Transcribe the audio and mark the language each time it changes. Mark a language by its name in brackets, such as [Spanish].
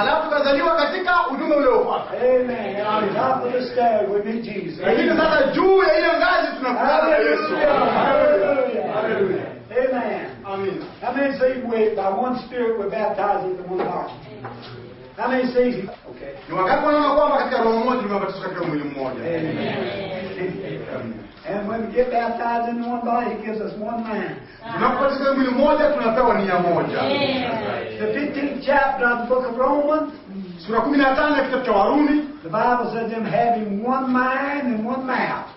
[Swahili] Alafu kazaliwa katika ujumbe ule ufuate. [English] Amen. On top of the stairs we meet Jesus. [Swahili] Lakini sasa juu ya ile ngazi tunakutana na Yesu. Hallelujah. Hallelujah. Amen. Amen. [English] How many say we by one spirit we're baptized into one heart? How many say he? Okay. [Swahili] Ni wangapi wanaokuwa katika roho moja tumebatizwa katika mwili mmoja? Amen. [English] And when we get baptized into one body, he gives us one man. [Swahili] Tunapotoka mwili mmoja tunapewa nia moja. [English] The 15th chapter of the book of Romans. [Swahili] Sura 15 ya kitabu cha Warumi. [English] The Bible says them having one mind and one mouth.